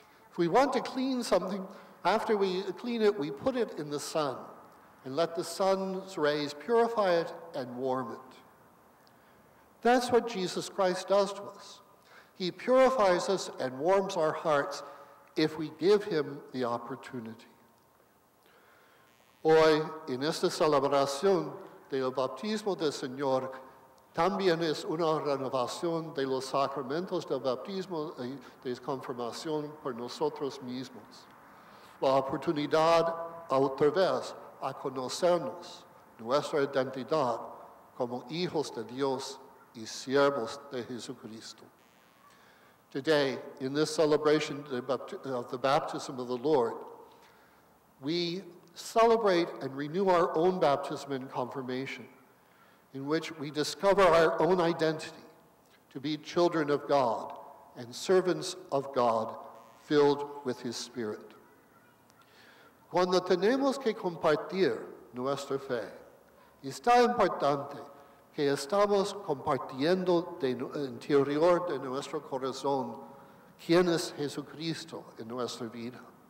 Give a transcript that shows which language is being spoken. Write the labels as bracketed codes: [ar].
[en] If we want to clean something, after we clean it, we put it in the sun and let the sun's rays purify it and warm it. That's what Jesus Christ does to us. He purifies us and warms our hearts if we give him the opportunity. [es] Hoy, en esta celebración del bautismo del Señor, también es una renovación de los sacramentos del bautismo y de confirmación por nosotros mismos. La oportunidad, otra vez, a conocernos, nuestra identidad, como hijos de Dios y siervos de Jesucristo. [en] Today, in this celebration of the baptism of the Lord, we celebrate and renew our own baptism and confirmation, in which we discover our own identity to be children of God and servants of God filled with his Spirit. [es] Cuando tenemos que compartir nuestra fe, está importante que estamos compartiendo de interior de nuestro corazón quién es Jesucristo en nuestra vida.